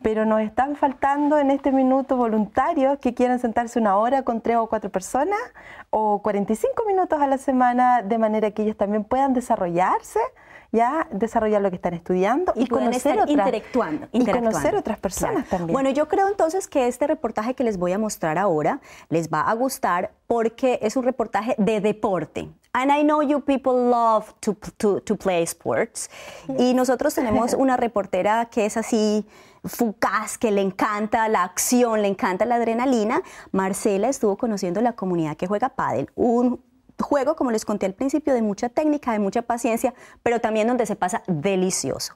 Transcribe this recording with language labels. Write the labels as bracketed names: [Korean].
[Spanish] Pero nos están faltando en este minuto voluntarios que quieran sentarse una hora con 3 o 4 personas o 45 minutos a la semana, de manera que ellos también puedan desarrollarse, ya desarrollar lo que están estudiando y conocer otras, interactuando. Y conocer otras personas, claro, también. Bueno, yo creo entonces que este reportaje que les voy a mostrar ahora les va a gustar porque es un reportaje de deporte. [English] And I know you people love to play sports. [Spanish] Y nosotros tenemos una reportera que es así fugaz, que le encanta la acción, le encanta la adrenalina. Marcela estuvo conociendo la comunidad que juega pádel, un juego, como les conté al principio, de mucha técnica, de mucha paciencia, pero también donde se pasa delicioso.